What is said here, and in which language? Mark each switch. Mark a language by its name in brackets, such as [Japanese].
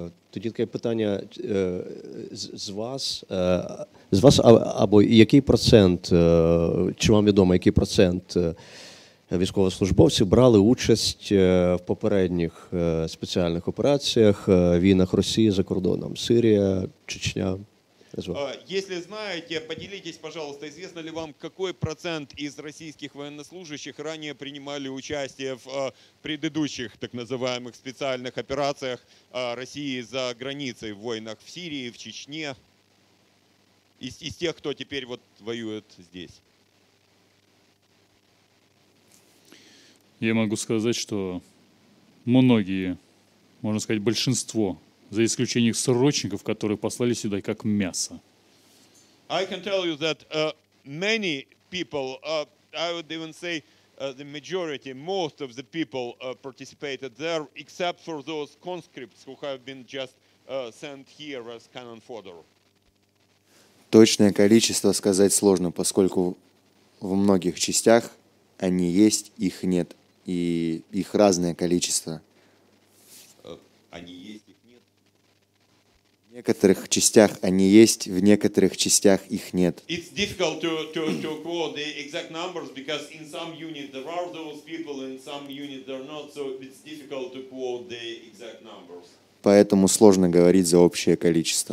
[Ukrainian] Тоді таке питання з вас або який процент, чи вам відомо, який процент військовослужбовців брали участь в попередніх спеціальних операціях, війнах Росії за кордоном, Сирія, Чечня. [Russian] Если знаете, поделитесь, пожалуйста, известно ли вам, какой процент из российских военнослужащих ранее принимали участие в предыдущих так называемых специальных операциях России за границей, в войнах в Сирии, в Чечне, из тех, кто теперь вот воюет здесь? Я могу сказать, что многие, можно сказать, большинство, за исключением срочников, которые послали сюда как мясо. [English] I can tell you that many people, I would even say the majority, most of the people participated there, except for those conscripts, who have been just sent here as cannon fodder. [Russian] Точное количество сказать сложно, поскольку в многих частях они есть, их нет. И их разное количество. Они есть, их нет. В некоторых частях они есть, в некоторых частях их нет. [English] It's difficult to quote the exact numbers, because in some units there are those people, in some units there are not, so it's difficult to quote the exact numbers. [Russian] Поэтому сложно говорить за общее количество.